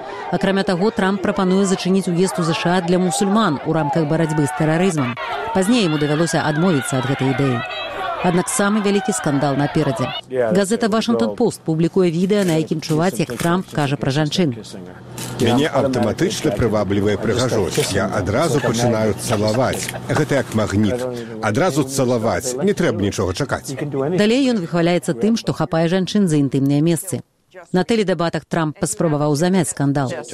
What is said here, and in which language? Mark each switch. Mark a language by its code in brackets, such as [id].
[be] Акрамя таго, Трамп прапануе зачыніць уезд у США для мусульман у рамках барацьбы з тэрарызмам. Пазней яму давялося адмовіцца ад гэтай ідэі. Аднак самы вялікі скандал наперадзе. Газета «Вашынгтон-Пост» публікуе відэа, на якім чуваць, як Трамп кажа пра жанчын. [uk] Мене автоматично приваблює пригажусь. Я одразу починаю цілувати. Це як магніт. Одразу цілувати. Не треба нічого чекати. Далі він вихваляється тим, що хапає жінчин за інтимні місця. [be] На теледебатах Трамп паспрабаваў замяць скандал.